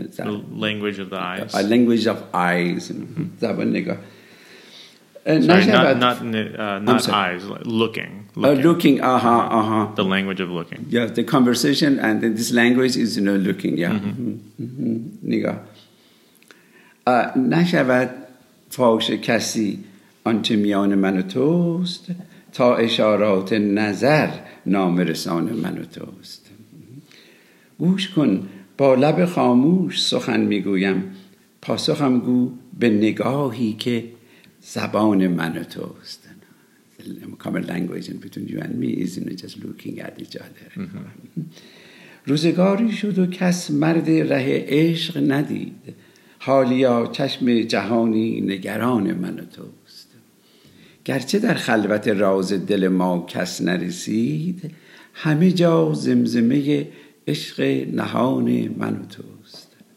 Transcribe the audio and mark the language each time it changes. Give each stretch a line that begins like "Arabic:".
English: the language of the eyes. A language of eyes.
Persian: Zaban Negah.
English: Eyes. Looking. The language of looking. Yeah, the conversation and then this language is, you know, looking. Yeah. Negah.
Persian: نشود فاش کسی آنچه میان من و توست تا اشارات نظر نام رسان من و توست. گوش کن با لب خاموش سخن میگویم، پاسخم گو به نگاهی که زبان من و توست.
English: Common language in between you and me is in just looking at each other.
Persian: روزگاری شد و کس مرد ره عشق ندید، حالیا چشم جهانی نگران من و توست. گرچه در خلوت راز دل ما کس نرسید، همه جا زمزمه عشق نهان من و توست.